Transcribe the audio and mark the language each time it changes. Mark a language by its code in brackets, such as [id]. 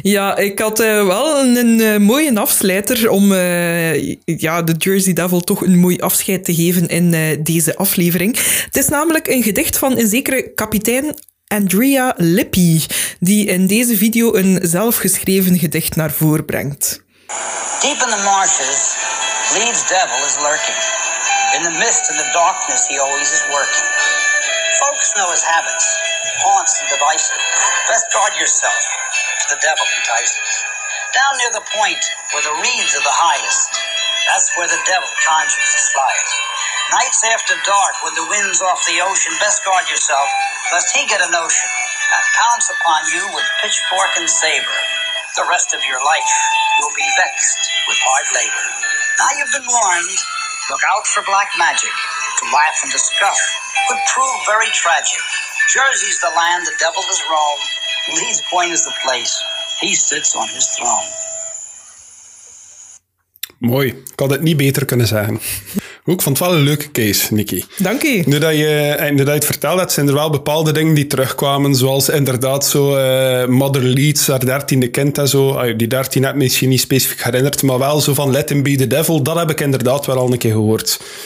[nl] Ja, ik had wel een mooie afsluiter om de Jersey Devil toch een mooi afscheid te geven in deze aflevering. Het is namelijk een gedicht van een zekere kapitein Andrea Lippi, die in deze video een zelfgeschreven gedicht naar voren brengt. [en] Deep in the marshes, Leeds Devil is lurking. In the mist and the darkness he always is working. Folks know his habits. Haunts and devices. Best guard yourself, for the devil entices. Down near the point where the reeds are the highest, that's where the devil conjures the slyest. Nights after dark, when the wind's off the ocean, best guard yourself, lest he get a notion and pounce upon you with pitchfork and saber. The rest of your life, you'll be vexed with hard labor. Now you've been warned, look out for black magic. To laugh and to scoff could prove very tragic. Jersey's the land, the devil does roam. Leeds Point is the place, he sits on his throne. [nl] Mooi, ik had het niet beter kunnen zeggen. Ik vond het wel een leuke case, Nikki. Dank je. Nu dat je het vertelt, dat zijn er wel bepaalde dingen die terugkwamen, zoals inderdaad zo Mother Leeds, haar 13e kind en zo. Die 13 heb ik misschien niet specifiek herinnerd, maar wel zo van [en] Let Him Be the Devil, [nl] dat heb ik inderdaad wel al een keer gehoord.